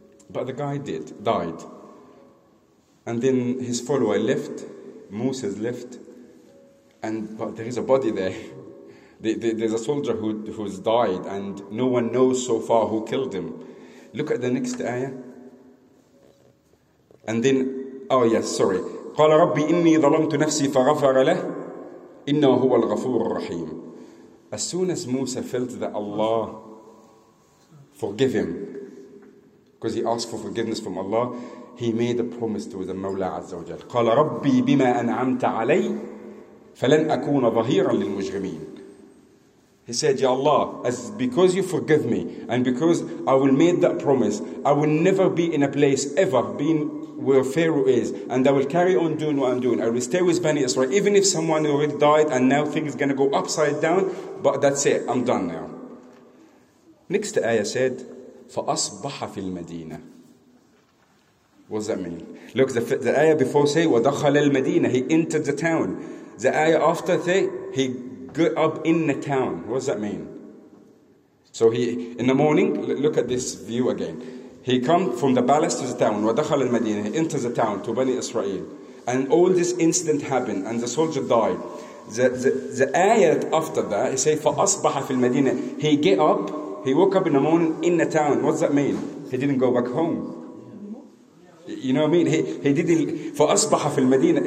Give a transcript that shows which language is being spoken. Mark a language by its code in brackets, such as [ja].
[en] But the guy died. And then his follower left, Moses left, but there is a body there. There's a soldier who's died and no one knows so far who killed him. Look at the next ayah. And then, [ar] قال ربي إني ظلمت نفسي فغفر له. إنه هو الغفور الرحيم. [en] As soon as Musa felt that Allah forgive him, because he asked for forgiveness from Allah, he made a promise to the Mawla Azza wa Jal. [ar] قال ربي بما أنعمت علي فلن أكون ظهيرا للمجرمين. [en] He said, Ya Allah, as because you forgive me and because I will make that promise, I will never be in a place ever being where Pharaoh is, and I will carry on doing what I'm doing. I will stay with Bani Israel, even if someone already died and now things are going to go upside down, but that's it, I'm done now. Next ayah said, [ar] فَأَصْبَحَ فِي الْمَدِينَةِ. [en] What does that mean? Look, the ayah before say, [ar] وَدَخَلَ الْمَدِينَةِ. [en] He entered the town. The ayah after say, he got up in the town. What does that mean? So he, in the morning, look at this view again. He come from the palace to the town, [ar] وَدَخَلَ الْمَدِينَةِ. [en] He enters the town to Bani Israel. And all this incident happened, and the soldier died. The ayat after that, he say, [ar] فَأَصْبَحَ فِي الْمَدِينَةِ. [en] He get up, he woke up in the morning in the town. What's that mean? He didn't go back home. You know what I mean? He didn't, [ar] فَأَصْبَحَ فِي الْمَدِينَةِ.